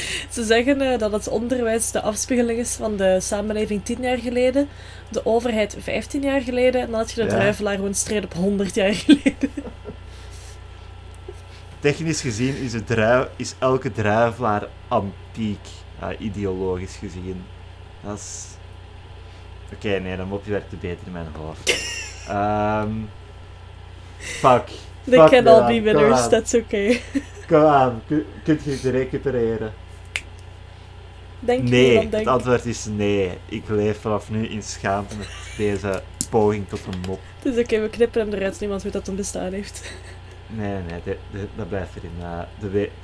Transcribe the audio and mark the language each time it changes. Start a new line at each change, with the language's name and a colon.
Dutch: Ze zeggen dat het onderwijs de afspiegeling is van de samenleving 10 jaar geleden, de overheid 15 jaar geleden, en dan had je de druivelaar gewoon streed op 100 jaar geleden. Technisch gezien is elke druivelaar antiek, ideologisch gezien. Dat is... Oké, nee, dan mopje werkt beter in mijn hoofd. Fuck.
English: They can all be winners, that's okay.
Dutch: Kom aan, kunt je het recupereren? Nee, het antwoord is nee. Ik leef vanaf nu in schaamte met deze poging tot een mop. Het is oké, we knippen hem eruit, niemand weet dat hem bestaan heeft. Nee, dat blijft erin.